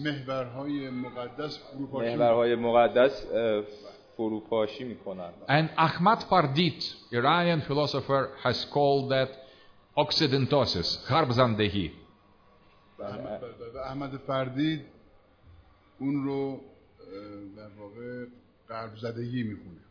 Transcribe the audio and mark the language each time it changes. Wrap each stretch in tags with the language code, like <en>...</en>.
<fa>محورهای مقدس فروپاشی می‌کنند.</fa> <en>And Ahmad Pardit, Iranian philosopher, has called that Occidentosis, Harbzandehi.</en> <fa>Ahmad Pardit اون رو در واقع غرب‌زدگی می‌خونه.</fa>